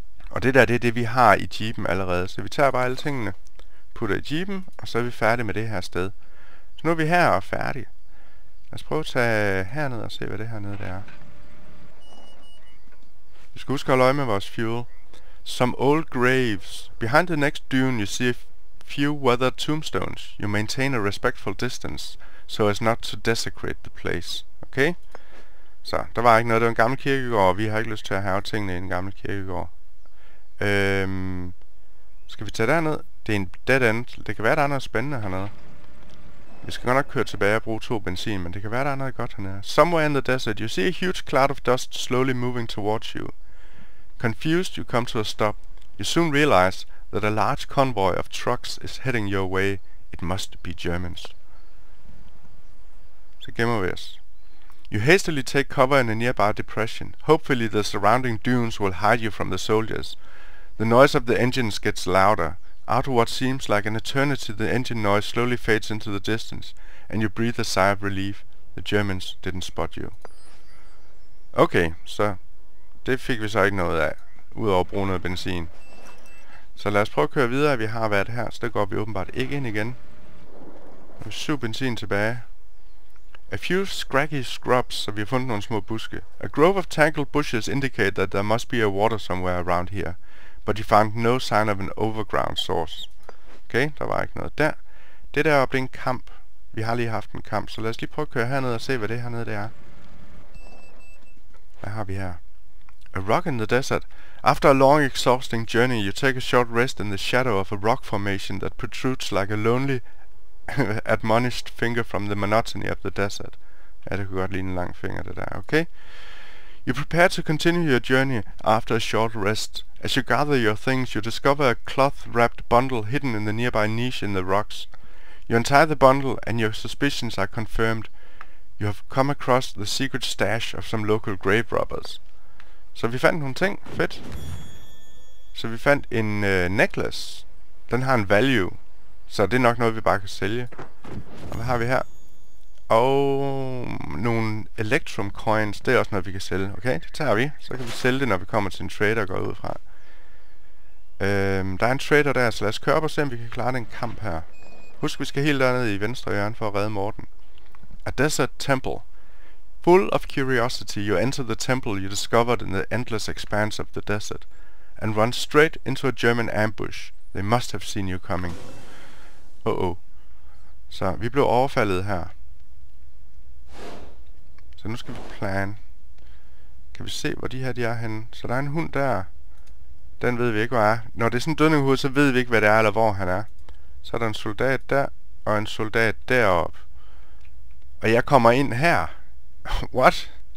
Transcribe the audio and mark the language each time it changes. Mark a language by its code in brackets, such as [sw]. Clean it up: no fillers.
[da] Og det der, det er det vi har i jeepen allerede. Så vi tager bare alle tingene, putter i jeepen, og så er vi færdige med det her sted. Så nu er vi her og færdige. Lad os prøve at tage herned og se, hvad det hernede der er. Vi skal huske at holde øje med vores fuel. [en] Some old graves. Behind the next dune you see a few weathered tombstones. You maintain a respectful distance, so as not to desecrate the place. [da] Okay? Så, der var ikke noget. Det var en gammel kirkegård, og vi har ikke lyst til at have tingene i en gammel kirkegård. Skal vi tage derned? Det er en dead end. Det kan være, der er noget spændende hernede. Vi skal godt nok køre tilbage og bruge to benzin, men det kan være, der er noget godt hernede. [en] Somewhere in the desert, you see a huge cloud of dust slowly moving towards you. Confused, you come to a stop. You soon realize that a large convoy of trucks is heading your way. It must be Germans. [da] Så gemmer vi os. [en] You hastily take cover in a nearby depression. Hopefully the surrounding dunes will hide you from the soldiers. The noise of the engines gets louder. After what seems like an eternity, the engine noise slowly fades into the distance, and you breathe a sigh of relief. The Germans didn't spot you. [da] Okay, så det fik vi så ikke noget af, udover at bruge noget benzin. Så lad os prøve at køre videre, vi har været her, så det går vi åbenbart ikke ind igen. Nu er 7 benzin tilbage. [en] A few scraggy scrubs, [da] så vi har fundet nogle små buske. [en] A grove of tangled bushes indicate that there must be a water somewhere around here. But you found no sign of an overground source. [da] Okay, der var ikke noget der. Det der op, det er en kamp. Vi har lige haft en kamp, så lad os lige prøve at køre herned og se, hvad det hernede det er. Hvad har vi her? [en] A rock in the desert. After a long exhausting journey, you take a short rest in the shadow of a rock formation that protrudes like a lonely admonished finger from the monotony of the desert. [da] Ja, det kunne godt ligne en lang finger, det der, okay? [en] You prepare to continue your journey after a short rest. As you gather your things, you discover a cloth-wrapped bundle hidden in the nearby niche in the rocks. You untie the bundle and your suspicions are confirmed. You have come across the secret stash of some local grave robbers. [da] Så vi fandt nogle ting. Fedt. Så vi fandt en necklace. Den har en value. Så det er nok noget, vi bare kan sælge. Og hvad har vi her? Og nogle Electrum Coins, det er også noget, vi kan sælge. Okay, det tager vi. Så kan vi sælge det, når vi kommer til en trader og går ud fra. Der er en trader der, så lad os køre op og se, om vi kan klare den kamp her. Husk, vi skal helt dernede i venstre hjørne for at redde Morten. Adessa Temple. [en] Full of curiosity, you enter the temple you discovered in the endless expanse of the desert and run straight into a German ambush. They must have seen you coming. Uh-oh. [da] Så vi blev overfaldet her. Så nu skal vi plan. Kan vi se, hvor de her de er henne? Så der er en hund der. Den ved vi ikke, hvor er. Når det er sådan en dødninghoved, så ved vi ikke, hvad det er eller hvor han er. Så er der en soldat der, og en soldat derop. Og jeg kommer ind her. What?